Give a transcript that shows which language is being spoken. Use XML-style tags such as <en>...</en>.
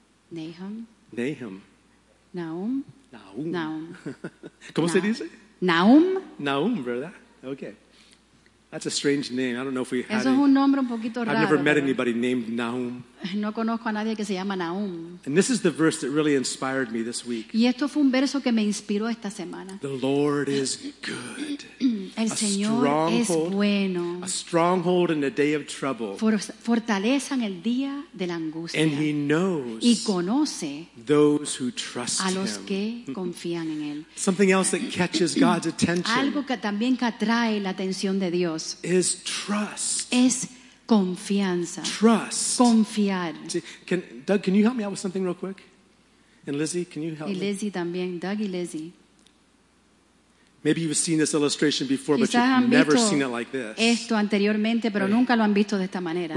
<es>Nahum. Nahum. Nahum. Nahum. ¿Cómo se dice? Nahum.</es> <en>Nahum,</en> <es>¿verdad?</es> <en>Okay. That's a strange name. I don't know if we have.</en> <es>Eso es un nombre un poquito raro.</es> <en>I've never met anybody named Nahum.</en> <es>No conozco a nadie que se llama Nahum.</es> <en>And this is the verse that really inspired me this week.</en> <es>Y esto fue un verso que me inspiró esta semana.</es> <en>The Lord is good.</en> <es>El Señor es bueno.</es> <en>A stronghold in the day of trouble.</en> <es>Fortaleza en el día de la angustia.</es> <en>And he knows.</en> <es>Y conoce.</es> <en>Those who trust him.</en> <es>A los que confían en él.</es> <en>Something else that catches God's attention.</en> <es>Algo que también atrae la atención de Dios.</es> <en>Is trust.</en> <es>Es confianza.</es> <en>Trust.</en> <es>Confiar.</es> <en>Doug, can you help me out with something real quick? And Lizzie, can you help me?</en> <es>Y Lizzie también. Doug y Lizzie.</es> <en>Maybe you've seen this illustration before, but you've never seen it like this.</en> <es>Esto anteriormente, pero</es> <en>right.</en> <es>Nunca lo han visto de esta manera.</es>